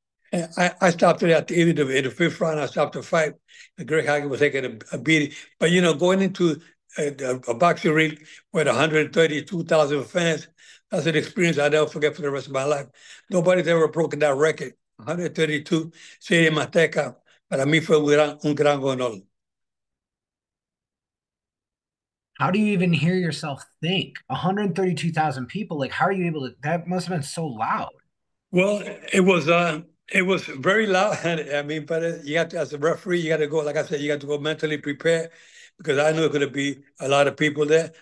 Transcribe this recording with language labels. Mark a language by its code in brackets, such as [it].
[en] And I stopped it at the end of the, in the fifth round. I stopped the fight. And Greg Haugen was taking a beating. But, you know, going into a boxing ring with 132,000 fans, that's an experience I'll never forget for the rest of my life. Nobody's ever broken that record. [es] 132, Stadium Azteca, para mí fue un gran honor. [en] How do you even hear yourself think? 132,000 people, like, how are you able to? That must have been so loud. Well, it was very loud. I mean, but you have to, as a referee, you got to go, like I said, you got to go mentally prepared because I knew it was going to be a lot of people there.